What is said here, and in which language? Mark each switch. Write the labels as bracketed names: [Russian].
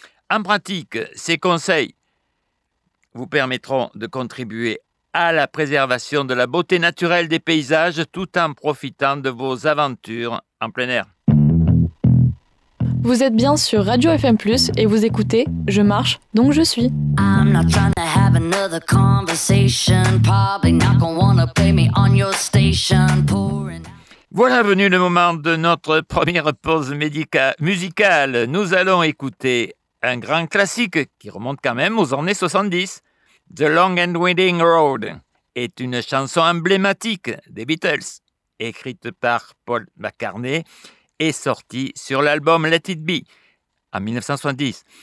[French] En pratique, ces conseils vous permettront de contribuer à la préservation de la beauté naturelle des paysages tout en profitant de vos aventures en plein air. Vous êtes bien sur Radio FM+, et vous écoutez Je marche, donc je suis. [English] I'm not trying to have another conversation. Probably not gonna wanna play me on your station. [French] Voilà venu le moment de notre première pause musicale. Nous allons écouter un grand classique qui remonte quand même aux années 70. The Long and Winding Road est une chanson emblématique des Beatles, écrite par Paul McCartney et sortie sur l'album Let It Be en 1970.